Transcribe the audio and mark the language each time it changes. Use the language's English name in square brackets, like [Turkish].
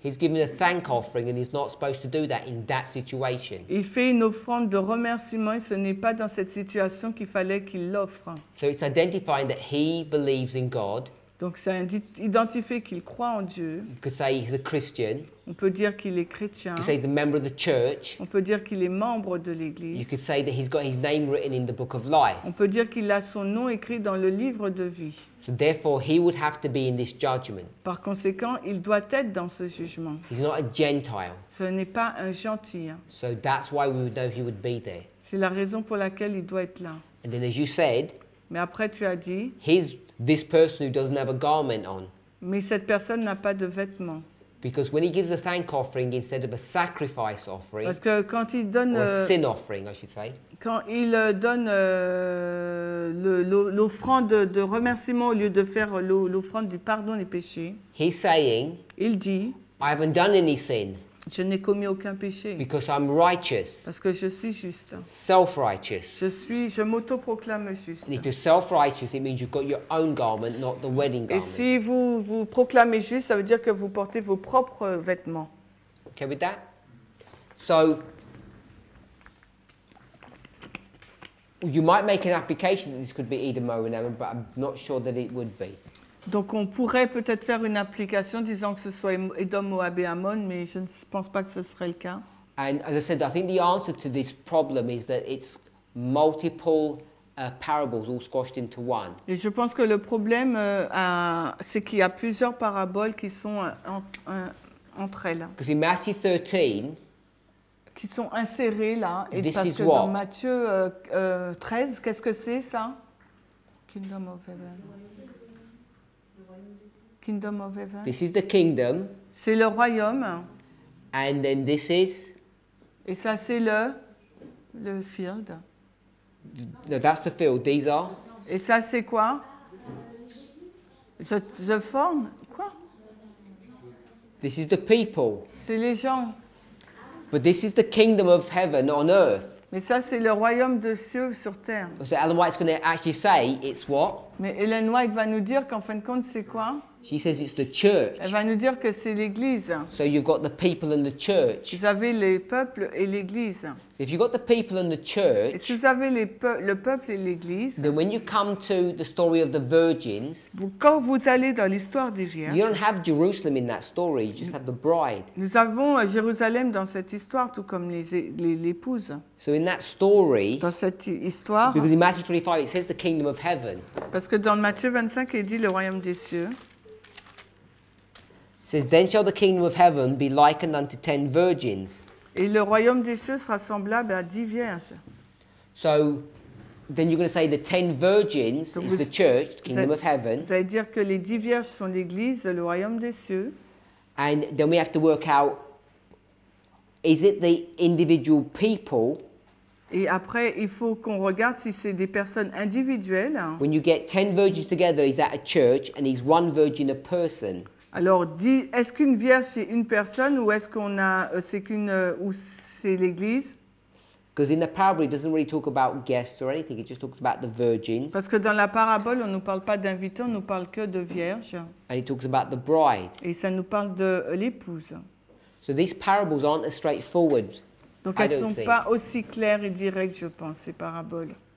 [English] He's given a thank offering and he's not supposed to do that in that situation. [French] Il fait une offrande de remerciement et ce n'est pas dans cette situation qu'il fallait qu'il l'offre. [English] So it's identifying that he believes in God. [French] Donc ça identifie qu'il croit en Dieu. [English] You could say he's a Christian. [French] On peut dire qu'il est chrétien. [English] You could say he's a member of the church. [French] On peut dire qu'il est membre de l'église. [English] You could say that he's got his name written in the book of life. [French] On peut dire qu'il a son nom écrit dans le livre de vie. [English] So therefore he would have to be in this judgment. [French] Par conséquent, il doit être dans ce jugement. [English] He's not a Gentile. [French] Ce n'est pas un gentil. [English] So that's why we would know he would be there. [French] C'est la raison pour laquelle il doit être là. [English] And then as you said, [French] mais après tu as dit, [English] he's this person who doesn't have a garment on. [French] Mais cette personne n'a pas de vêtements. [English] Because when he gives a thank offering instead of a sacrifice offering, [French] parce que quand il donne, [English] or a sin offering, I should say, [French] quand il donne l'offrande de remerciement au lieu de faire l'offrande du pardon des péchés, [English] he's saying, [French] il dit, [English] I haven't done any sin. [French] Je n'ai commis aucun péché. [English] Because I'm righteous. [French] Parce que je suis juste. [English] Self-righteous. [French] Je m'auto-proclame juste. [English] And if you're self-righteous, it means you've got your own garment, not the wedding garment. [French] Et si vous proclamez juste, ça veut dire que vous portez vos propres vêtements. [English] Okay with that? So, you might make an application that this could be Edom, Moab, and Ammon, but I'm not sure that it would be. [French] Donc on pourrait peut-être faire une application disant que ce soit Edom, Moab et Ammon, mais je ne pense pas que ce serait le cas. [English] And as I said, I think the answer to this problem is that it's multiple parables all squashed into one. [French] Et je pense que le problème, c'est qu'il y a plusieurs paraboles qui sont entre elles. [English] Because in Matthew 13, [French] qui sont insérés là. Et parce que dans Matthieu 13, qu'est-ce que c'est ça? [English] Kingdom of Heaven. Kingdom of Heaven. This is the kingdom. [French] C'est le royaume. [English] And then this is. [French] Et ça c'est le field. [English] No, that's the field. These are. [French] Et ça c'est quoi? [English] The form. [French] Quoi? [English] This is the people. [French] C'est les gens. [English] But this is the kingdom of heaven on earth. [French] Mais ça c'est le royaume de cieux sur terre. [English] So Ellen White's going to actually say it's what? [French] Mais Ellen White va nous dire qu'en fin de compte c'est quoi? [English] She says it's the church. [French] Elle va nous dire que c'est l'église. [English] So you've got the people and the church. [French] Vous avez les peuples et l'église. [English] If you've got the people and the church. [French] Et si vous avez le peuple et l'église. [English] Then when you come to the story of the virgins. [French] Quand vous allez dans l'histoire des vierges. [English] You don't have Jerusalem in that story. You just have the bride. [French] Nous avons Jérusalem dans cette histoire, tout comme l'épouse. [English] So in that story. [French] Dans cette histoire. [English] Because in Matthew 25 it says the kingdom of heaven. [French] Parce que dans Matthieu 25 il dit le royaume des cieux. [English] Says, then shall the kingdom of heaven be likened unto 10 virgins. [French] Et le royaume des cieux sera semblable à 10 vierges. [English] So, then you're going to say the 10 virgins is the church, kingdom of heaven. [French] Vous allez dire que les 10 vierges sont l'église, le royaume des cieux. [English] And then we have to work out, is it the individual people? [French] Et après, il faut qu'on regarde si c'est des personnes individuelles. [English] When you get 10 virgins together, is that a church and is one virgin a person? [French] Alors, est-ce qu'une vierge c'est une personne ou est-ce qu'on a c'est qu'une ou c'est l'église? [English] Because in the parable, it doesn't really talk about guests or anything. It just talks about the virgins. [French] Parce que dans la parabole, on nous parle pas d'invités, on nous parle que de vierges. [English] And it talks about the bride. [French] Et ça nous parle de l'épouse. [English] So these parables aren't as straightforward. [French] Donc elles sont pas aussi claires et directes, je pense, ces paraboles.